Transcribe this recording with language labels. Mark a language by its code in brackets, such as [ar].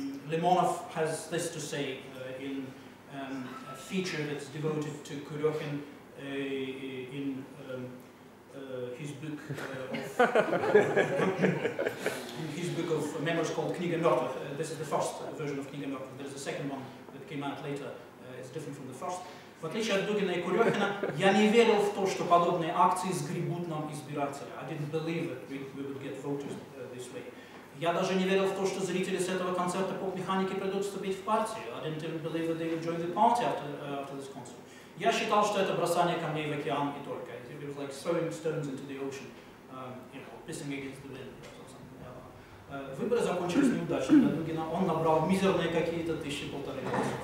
[en] Limonov has this to say in a feature that's devoted to Kurekhin in. His book of memoirs called Knige Mørtvedt. This is the first version of Knige Mørtvedt. There's a second one that came out later. It's different from the first. [ru] В отличие от Дугина и Курехина, я не верил в то, что подобные акции сгребут нам избирателя. [en] I didn't believe that we would get voters this way. [ru] Я даже не верил в то, что зрители с этого концерта поп-механики придут вступить в партию. [en] I didn't even believe that they would join the party after this concert. [ru] Я считал, что это бросание камней в океан и только. [en] It was like throwing stones into the ocean, pissing against the wind or something. [ru] Выборы закончились неудачно для Дугина. Он набрал мизерные какие-то 1500 голосов.